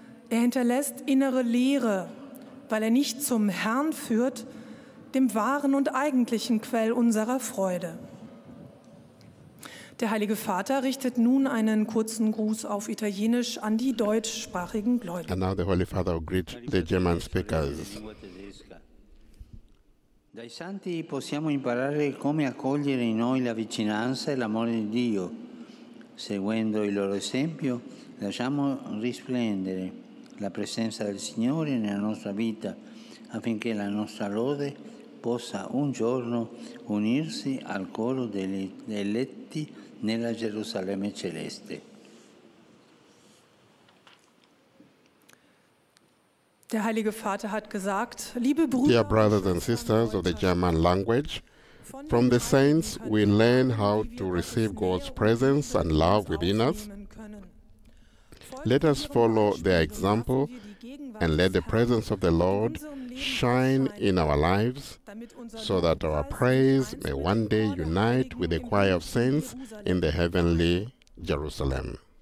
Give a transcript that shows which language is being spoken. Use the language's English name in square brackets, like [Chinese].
[German] Er hinterlässt innere Leere, weil er nicht zum Herrn führt, dem wahren und eigentlichen Quell unserer Freude. Der Heilige Vater richtet nun einen kurzen Gruß auf Italienisch an die deutschsprachigen Gläubigen. [English] And now the Holy Father will greet the German speakers. [Italian] Dai Santi possiamo imparare come accogliere in noi la vicinanza e l'amore di Dio. Seguendo il loro esempio, lasciamo risplendere la presenza del Signore nella nostra vita, affinché la nostra lode possa un giorno unirsi al coro degli eletti nella Gerusalemme celeste. [German] Der Heilige Vater hat gesagt, liebe Brüder, [English] dear brothers and sisters of the German language, from the saints we learn how to receive God's presence and love within us. Let us follow their example and let the presence of the Lord shine in our lives so that our praise may one day unite with the choir of saints in the heavenly Jerusalem.